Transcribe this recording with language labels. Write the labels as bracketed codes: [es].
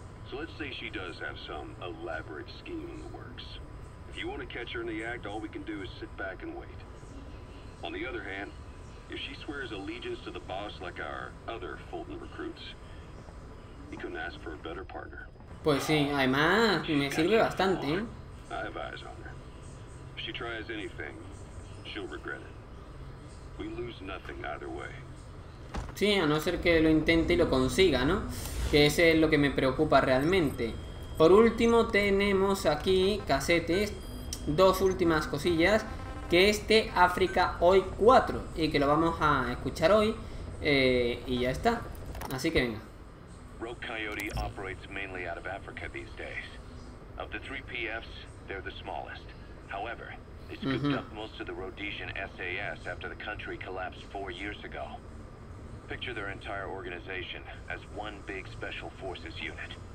[en] So let's say she does have some elaborate scheme in the works. If you want to catch her in the act, all we can do is sit back and wait. On the other hand, if she swears allegiance to the boss like our other Fulton recruits, he couldn't ask for a better partner. [es] Pues sí, además, me sirve bastante. [en] I have eyes on her. If she tries anything, she'll regret it. We lose nothing either way. [es] Sí, a no ser que lo intente y lo consiga, ¿no? Que ese es lo que me preocupa realmente. Por último, tenemos aquí casetes. Dos últimas cosillas. Que este África Hoy 4. Y que lo vamos a escuchar hoy. Y ya está. Así que venga. [en] Rogue Coyote operates mainly out of Africa these days. Of the three PFs, they're the smallest. However, they scooped up most of the Rhodesian SAS after the country collapsed 4 years ago. Picture their entire organization as one big special forces unit.